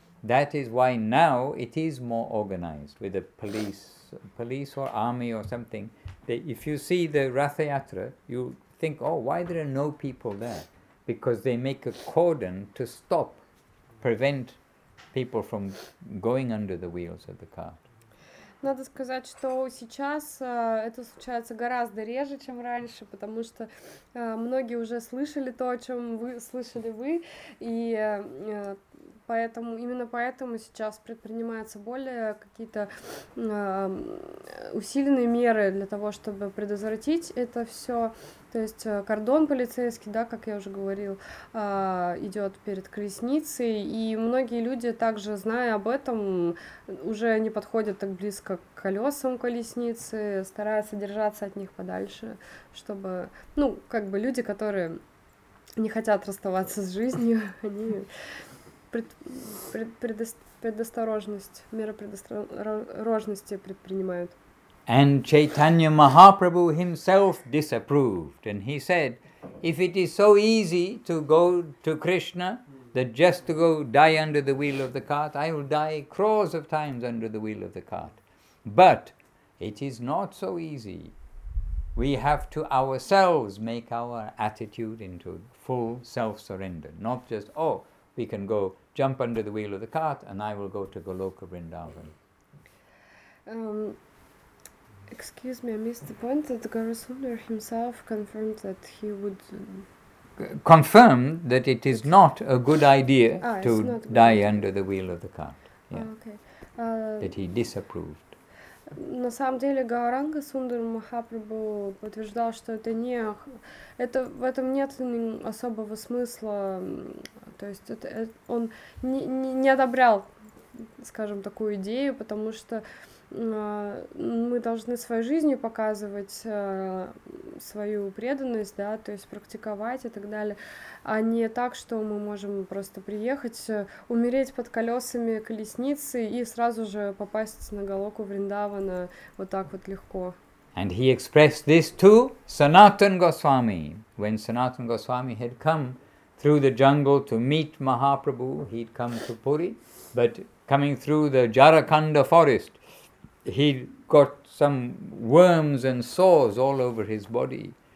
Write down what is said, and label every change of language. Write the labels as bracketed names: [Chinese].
[English] That is why now it is more organized with the police or army or something. If you see the Ratha Yatra, you think, oh, why there are no people there? Because they make a cordon to stop, prevent people from going under the wheels of the cart. [Russian] Надо сказать, что сейчас это случается гораздо реже, чем раньше, потому что многие уже слышали то, о чем вы слышали вы, и поэтому именно поэтому сейчас предпринимаются более какие-то усиленные меры для того, чтобы предотвратить это все. То есть кордон полицейский, да, как я уже говорил, идет перед колесницей, и многие люди, также зная об этом, уже не подходят так близко к колесам колесницы, стараются держаться от них подальше, чтобы, ну, как бы люди, которые не хотят расставаться с жизнью, они меры предосторожности предпринимают. [English] And Chaitanya Mahaprabhu himself disapproved, and he said, if it is so easy to go to Krishna, that just to go die under the wheel of the cart, I will die crores of times under the wheel of the cart. But it is not so easy. We have to ourselves make our attitude into full self-surrender, not just, oh, we can go jump under the wheel of the cart and I will go to Goloka Vrindavan. Excuse me, I missed the point that Gaurasundar himself confirmed that he would... Confirmed that it is not a good idea to die under the wheel of the cart. That he disapproved. [Russian] На самом деле Гауранга Сундар Махапрабху подтверждал, что это не... Это, в этом нет особого смысла. То есть он не одобрял, скажем, такую идею, потому что... мы должны своей жизнью показывать свою преданность, да, то есть практиковать и так далее, а не так, что мы можем просто приехать, умереть под колесами колесницы и сразу же попасть на Голоку Вриндавана вот так вот легко. [English] And he expressed this to Sanatan Goswami. When Sanatan Goswami had come through the jungle to meet Mahaprabhu, he'd come to Puri, but coming through the Jarakanda forest, he got some worms and sores all over his body.